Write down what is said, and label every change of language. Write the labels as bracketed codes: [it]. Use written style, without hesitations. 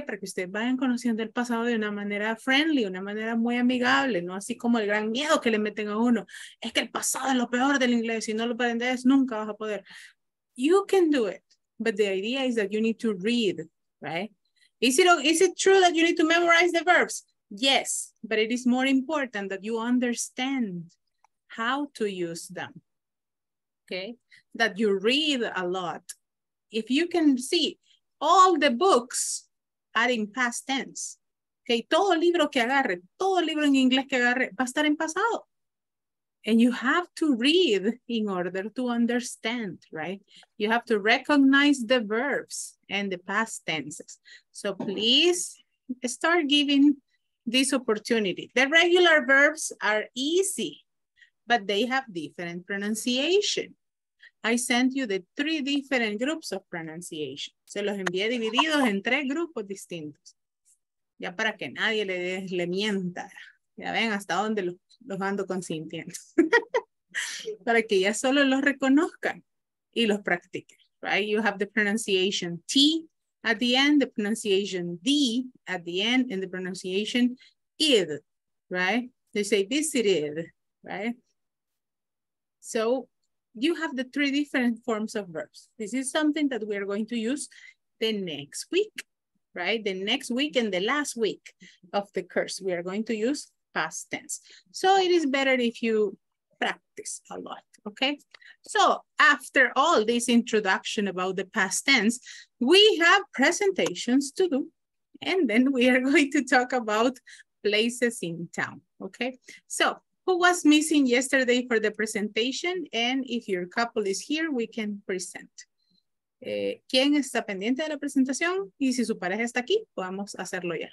[es] Para que ustedes vayan conociendo el pasado de una manera friendly, una manera muy amigable, no así como el gran miedo que le meten a uno. Es que el pasado es lo peor del inglés, si no lo aprendes, nunca vas a poder. [en] You can do it, but the idea is that you need to read, right? Is it true that you need to memorize the verbs? Yes, but it is more important that you understand how to use them, okay? That you read a lot. If you can see all the books are in past tense, okay? [es] Todo libro que agarre, todo libro en inglés que agarre va a estar en pasado. [en] And you have to read in order to understand, right? You have to recognize the verbs and the past tenses. So please start giving this opportunity. The regular verbs are easy, but they have different pronunciation. I sent you the three different groups of pronunciation. [es] Se los envié divididos en tres grupos distintos. Ya para que nadie le mienta. Ya ven hasta dónde los ando consintiendo. Para que ya solo los reconozcan y los practiquen. [en] Right? You have the pronunciation T at the end, the pronunciation D at the end, and the pronunciation id, right? They say visited, right? So you have the three different forms of verbs. This is something that we are going to use the next week, right? The next week and the last week of the course, we are going to use past tense. So it is better if you practice a lot, okay? So after all this introduction about the past tense, we have presentations to do, and then we are going to talk about places in town, okay? So who was missing yesterday for the presentation? And if your couple is here, we can present. [es] ¿Quién está pendiente de la presentación? Y si su pareja está aquí, podemos hacerlo ya.